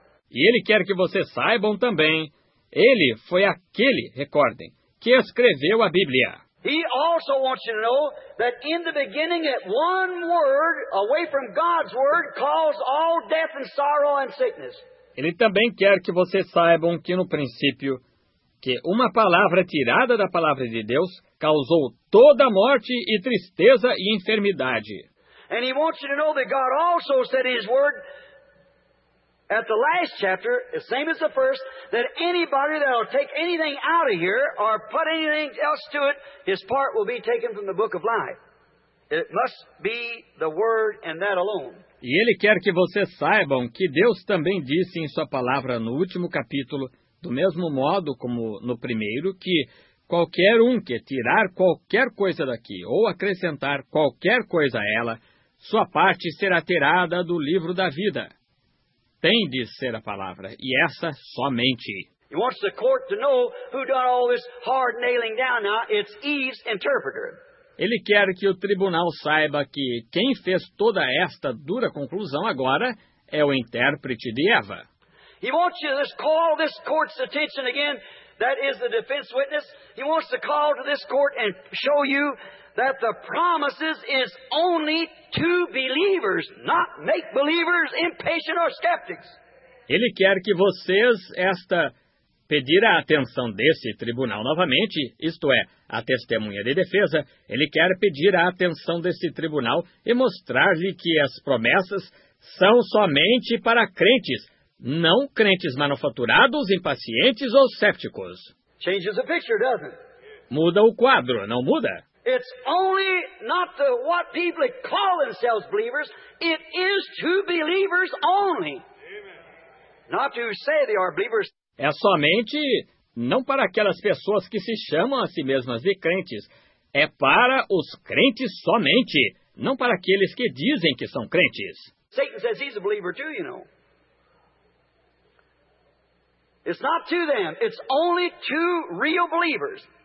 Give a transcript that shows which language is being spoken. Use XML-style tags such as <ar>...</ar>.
<pt>E ele quer que vocês saibam também, ele foi aquele, recordem, que escreveu a Bíblia.</pt> <en>He also wants you to know that in the beginning, at one word away from God's word caused all death and sorrow and sickness.</en> <pt>Ele também quer que vocês saibam que no princípio, que uma palavra tirada da palavra de Deus causou toda morte e tristeza e enfermidade.</pt> <en>And he wants you to know that God also said his word at the last chapter, the same as the first, that anybody that will take anything out of here or put anything else to it, his part will be taken from the book of life. It must be the word and that alone.</en> <pt>E ele quer que vocês saibam que Deus também disse em sua palavra no último capítulo, do mesmo modo como no primeiro, que qualquer um que tirar qualquer coisa daqui ou acrescentar qualquer coisa a ela, sua parte será tirada do livro da vida. Tem de ser a palavra, e essa somente.</pt> <en>He wants the court to know who done all this hard nailing down now. It's Eve's interpreter.</en> <pt>Ele quer que o tribunal saiba que quem fez toda esta dura conclusão agora é o intérprete de Eva.</pt> <en>He wants you to call this court's attention again, that is the defense witness. He wants to call to this court and show you that the promises is only to believers, not make believers impatient or skeptics.</en> <pt>Ele quer que vocês pedir a atenção desse tribunal novamente, isto é, a testemunha de defesa, ele quer pedir a atenção desse tribunal e mostrar-lhe que as promessas são somente para crentes, não crentes manufaturados, impacientes ou cépticos.</pt> <en>Changes the picture, doesn't it?</en> <pt>Muda o quadro, não muda?</pt> <en>It's only not to what people call themselves believers, it is to believers only. Amen. Not to say they are believers.</en> <pt>É somente não para aquelas pessoas que se chamam a si mesmas de crentes. É para os crentes somente, não para aqueles que dizem que são crentes.</pt> <en>Satan says he's a believer too, you know. It's not to them, it's only to real believers.</en>